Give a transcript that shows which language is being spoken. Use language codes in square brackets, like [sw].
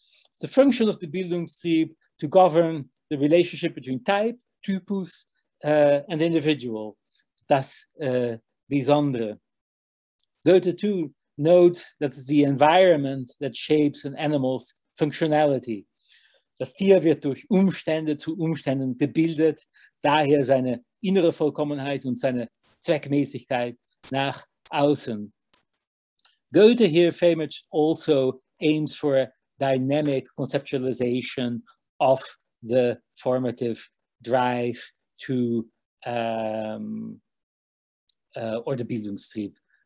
[en] It's the function of the Bildungstrieb to govern the relationship between type, typus, and individual, [de] das Besondere. [en] Goethe too notes that it's the environment that shapes an animal's functionality. [de] Das Tier wird durch Umstände zu Umständen gebildet, daher seine innere Vollkommenheit und seine Zweckmäßigkeit nach außen. [en] Goethe here very much also aims for a dynamic conceptualization of the formative drive to, or the Bildungstrieb.